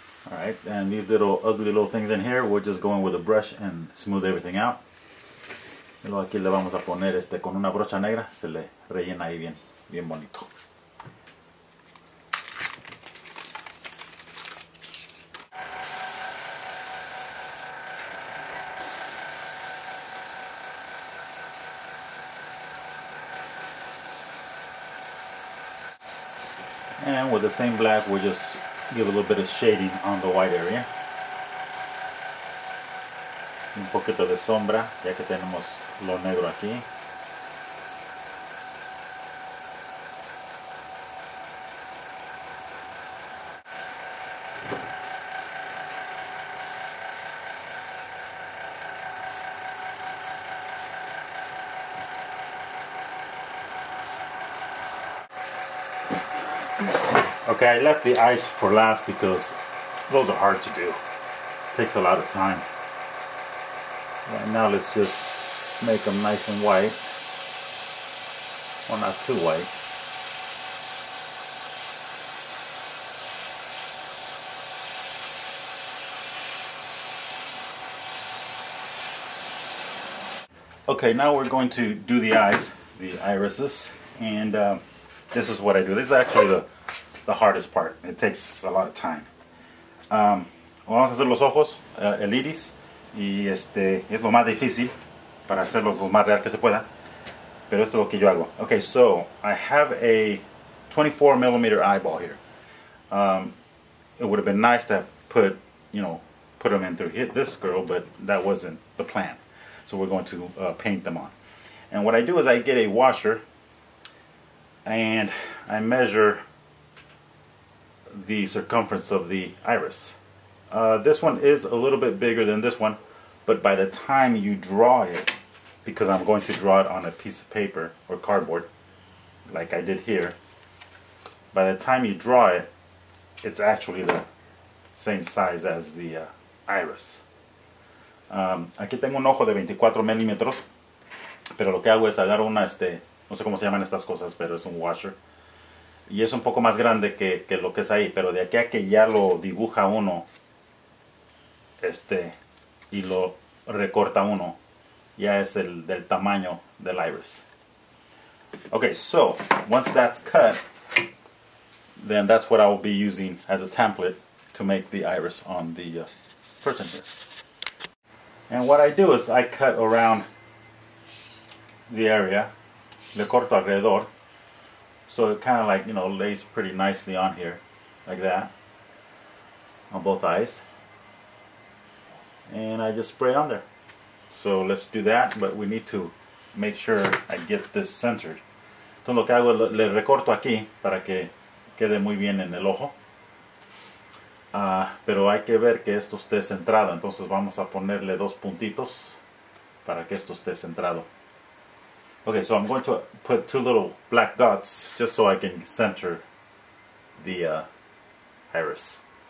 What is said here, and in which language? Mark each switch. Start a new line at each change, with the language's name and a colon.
English: Alright, and these little ugly little things in here, we're just going with a brush and smooth everything out.
Spanish: Y luego aquí le vamos a poner este con una brocha negra, se le rellena ahí bien, bien bonito.
English: And with the same black, we're just give a little bit of shading on the white area.
Spanish: Un poquito de sombra, ya que tenemos lo negro aquí.
English: Okay, I left the eyes for last because those are hard to do. Takes a lot of time. Right now let's just make them nice and white. Well, not too white. Okay, now we're going to do the eyes, the irises. And this is what I do. This is actually the hardest part. It takes a lot of time.
Spanish: Vamos a hacer los ojos, el iris, y este es lo más difícil para hacerlo lo más real que se pueda. Pero esto es lo que yo hago.
English: Okay, so I have a 24 millimeter eyeball here. It would have been nice to put, you know, put them in through hit this girl, but that wasn't the plan. So we're going to paint them on. And what I do is I get a washer and I measure the circumference of the iris. This one is a little bit bigger than this one, but by the time you draw it, because I'm going to draw it on a piece of paper or cardboard like I did here, by the time you draw it, it's actually the same size as the iris.
Spanish: Aquí tengo un ojo de 24 milímetros, pero lo que hago es agarro una no sé cómo se llaman estas cosas, pero es un washer. Y es un poco más grande que lo que es ahí, pero de aquí a que ya lo dibuja uno y lo recorta uno, ya es el del tamaño del iris.
English: Okay, so once that's cut, then that's what I will be using as a template to make the iris on the person here. And what I do is I cut around the area,
Spanish: le corto alrededor.
English: So it kind of like, you know, lays pretty nicely on here, like that, on both eyes. And I just spray on there. So let's do that, but we need to make sure I get this centered.
Spanish: Entonces lo que hago, le recorto aquí para que quede muy bien en el ojo. Pero hay que ver que esto esté centrado, entonces vamos a ponerle dos puntitos para que esto esté centrado.
English: Okay, so I'm going to put two little black dots just so I can center the iris.